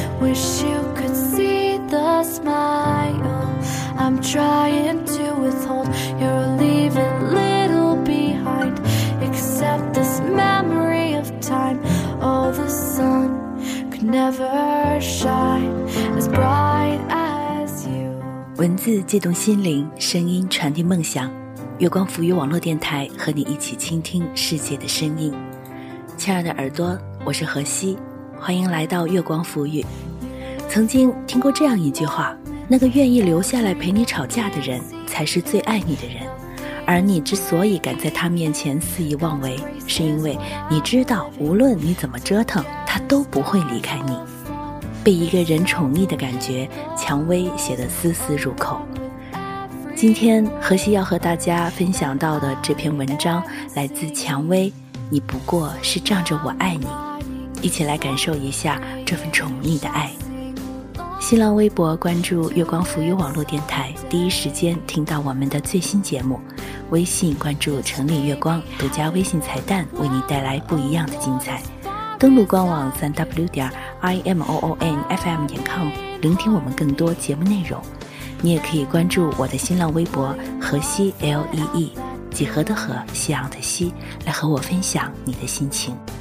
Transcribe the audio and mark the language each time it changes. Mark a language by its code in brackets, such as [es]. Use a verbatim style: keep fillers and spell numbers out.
[en] Wish you could see the smile I'm trying to withhold. You're leaving little behind, except this memory of time. Oh, the sun could never shine as bright as you. [zh] 文字悸动心灵，声音传递梦想。月光浮于网络电台和你一起倾听世界的声音，亲爱的耳朵，我是何西，欢迎来到月光浮于。曾经听过这样一句话，那个愿意留下来陪你吵架的人才是最爱你的人，而你之所以敢在他面前肆意妄为，是因为你知道无论你怎么折腾，他都不会离开你。被一个人宠溺的感觉，蔷薇写得丝丝入口。今天何西要和大家分享到的这篇文章来自蔷薇，你不过是仗着我爱你，一起来感受一下这份宠溺的爱。新浪微博关注月光浮于网络电台，第一时间听到我们的最新节目。微信关注城里月光，独家微信彩蛋为你带来不一样的精彩。登录官网 三 w 点 i m o o n f m 点 com 聆听我们更多节目内容。你也可以关注我的新浪微博何西 L E E， 几何的何，夕阳的西，来和我分享你的心情。